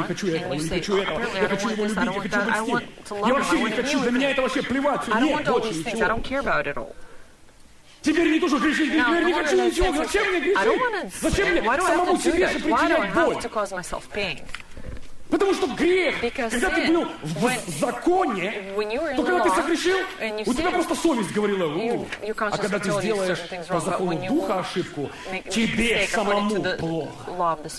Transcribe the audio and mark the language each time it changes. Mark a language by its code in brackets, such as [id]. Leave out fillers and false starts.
[ru] Я хочу этого, я хочу этого, я хочу его любить, я хочу быть с ним. Я вообще не хочу, для меня это вообще плевать. [en] I don't want all these things, I don't care about it all. [ru] Теперь не тоже грешить, теперь не хочу ничего. Зачем мне грешить? Зачем мне самому себе же причинять боль? Потому что грех, когда ты был в законе, то когда ты согрешил, у тебя просто совесть говорила. А когда ты сделаешь по закону Духа ошибку, тебе самому плохо.